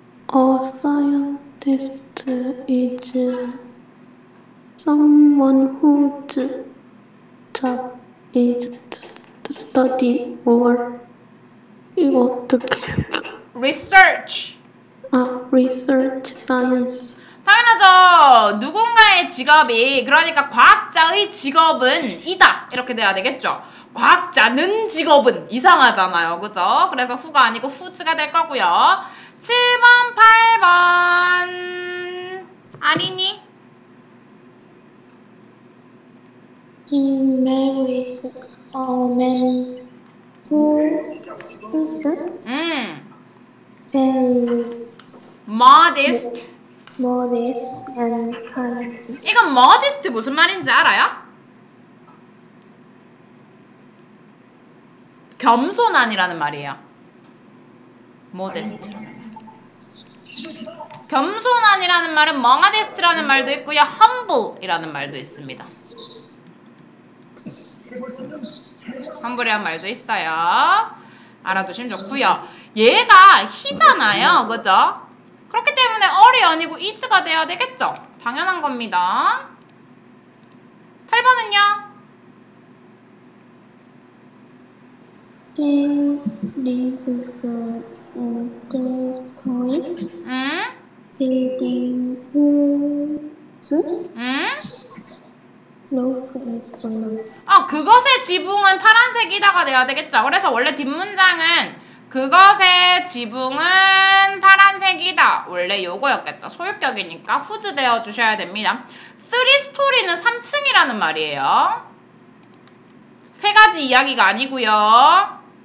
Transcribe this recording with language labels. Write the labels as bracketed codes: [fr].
[en] 어, scientist is someone whose job is to study or [ko] 이거 어떻게 [en] research 아 research science [ko] 당연하죠. 누군가의 직업이 그러니까 과학자의 직업은 이다 이렇게 돼야 되겠죠. 과학자는 직업은 이상하잖아요, 그죠? 그래서 who가 아니고 whose가 될 거고요. 7번 8번 아니니 [en] He marries a man who is very modest. Modest and kind. [ko] 이건 modest 무슨 말인지 알아요? 겸손한이라는 말이에요. [en] Modest. [ko] 겸손한이라는 말은 modest라는 말도 있고요, humble이라는 말도 있습니다. 환불이란 말도 있어요. 알아두시면 좋고요. 얘가 he잖아요. 그죠? 그렇기 때문에 all이 아니고 is가 돼야 되겠죠? 당연한 겁니다. 8번은요? [en] He lives in the story building woods. [ko] 응? [en] Roof is blue. [ko] 아, 그것의 지붕은 파란색이다가 돼야 되겠죠. 그래서 원래 뒷문장은 그것의 지붕은 파란색이다. 원래 요거였겠죠. 소유격이니까 후즈 되어 주셔야 됩니다. 쓰리 스토리는 3층이라는 말이에요. 세 가지 이야기가 아니고요.